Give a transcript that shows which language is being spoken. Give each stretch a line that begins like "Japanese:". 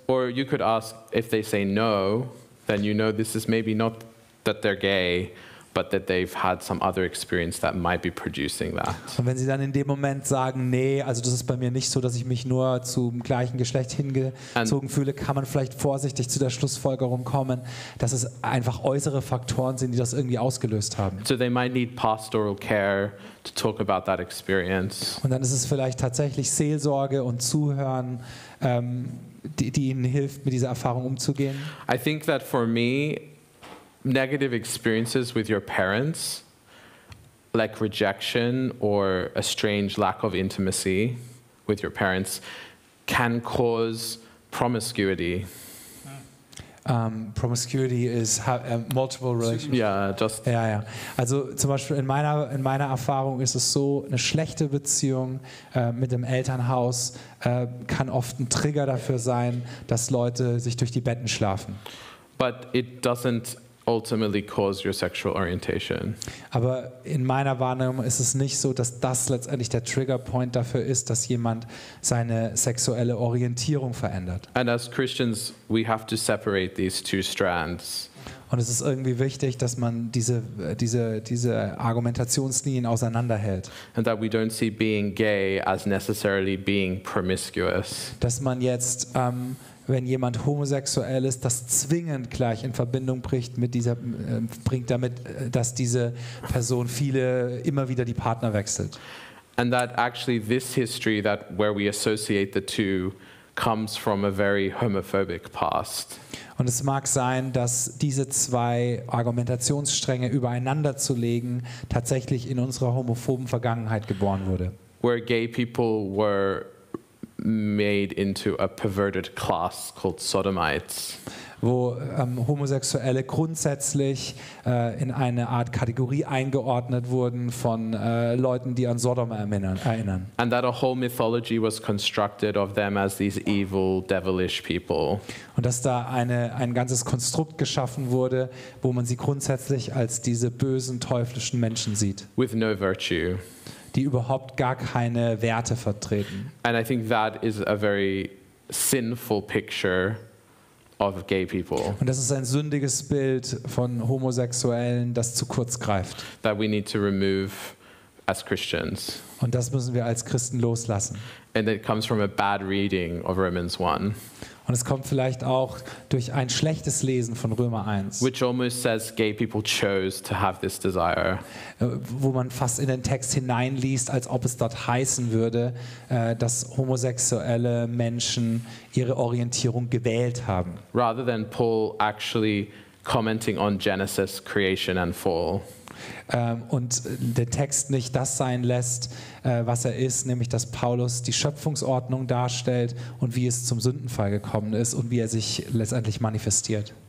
English: Or you could ask, if they say no, then you know this is maybe not that they're gay, but that they've had some other experience that might be producing that.
German: Und wenn sie dann in dem Moment sagen, nee, also das ist bei mir nicht so, dass ich mich nur zum gleichen Geschlecht hingezogen fühle, kann man vielleicht vorsichtig zu der Schlussfolgerung kommen, dass es einfach äußere Faktoren sind, die das irgendwie ausgelöst haben.
English: So they might need pastoral care to talk about that experience.
German: Und dann ist es vielleicht tatsächlich Seelsorge und Zuhören, die ihnen hilft, mit dieser Erfahrung umzugehen.
English: I think that for me, negative experiences with your parents, like rejection or a strange lack of intimacy with your parents, can cause promiscuity. Promiscuity is multiple relationships. Yeah, just. Yeah, yeah.
German: Also zum Beispiel in meiner Erfahrung ist es so, eine schlechte Beziehung mit dem Elternhaus kann oft ein Trigger dafür sein, dass Leute sich durch die Betten schlafen.
English: But it doesn't ultimately cause your sexual orientation.
German: Aber in meiner Wahrnehmung ist es nicht so, dass das letztendlich der Triggerpoint dafür ist, dass jemand seine sexuelle Orientierung verändert.
English: And as Christians, we have to separate these two strands.
German: Und es ist irgendwie wichtig, dass man diese Argumentationslinien auseinanderhält.
English: And that we don't see being gay as necessarily being promiscuous.
German: Dass man jetzt wenn jemand homosexuell ist, das zwingend gleich in Verbindung bringt damit, dass diese Person immer wieder die Partner wechselt.
English: And that actually this history that where we associate the two comes from a very homophobic past.
German: Und es mag sein, dass diese zwei Argumentationsstränge übereinander zu legen tatsächlich in unserer homophoben Vergangenheit geboren wurde.
English: Where gay people were made into a perverted class called sodomites.
German: Wo Homosexuelle grundsätzlich in eine Art Kategorie eingeordnet wurden von Leuten, die an Sodom erinnern.
English: And that a whole mythology was constructed of them as these evil, devilish people.
German: Und dass da ein ganzes Konstrukt geschaffen wurde, wo man sie grundsätzlich als diese bösen, teuflischen Menschen sieht.
English: With no virtue.
German: Die überhaupt gar keine Werte vertreten.
English: And I think that is a very sinful picture of gay people.
German: Und das ist ein sündiges Bild von Homosexuellen, das zu kurz greift.
English: That we need to remove as Christians.
German: Und das müssen wir als Christen loslassen.
English: And it comes from a bad reading of Romans 1.
German: Und es kommt vielleicht auch durch ein schlechtes Lesen von Römer 1.
English: Which almost says gay people chose to have this desire.
German: Wo man fast in den Text hineinliest, als ob es dort heißen würde, dass homosexuelle Menschen ihre Orientierung gewählt haben.
English: Rather than Paul actually commenting on Genesis, creation and fall.
German: Und der Text nicht das sein lässt, was er ist, nämlich dass Paulus die Schöpfungsordnung darstellt und wie es zum Sündenfall gekommen ist und wie er sich letztendlich manifestiert.